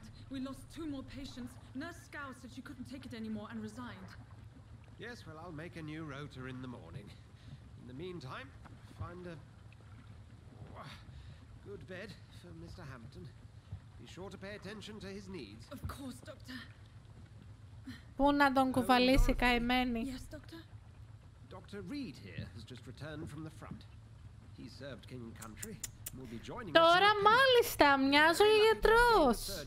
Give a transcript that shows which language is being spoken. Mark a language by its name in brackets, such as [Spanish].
[English] We lost two more patients. Nurse Scow said she couldn't take it anymore and resigned. Yes, well, I'll make a new rota in the morning. In the meantime, find a good bed for Mr. Hampton. Be sure to pay attention to his needs. Of course, Doctor. [Greek] Πού να τον κουβαλήσει, καημένη. [English] Yes, Doctor. Dr. Reed here has just returned from the front. He served King and Country. [Greek] Τώρα μάλιστα, μοιάζω γιατρός.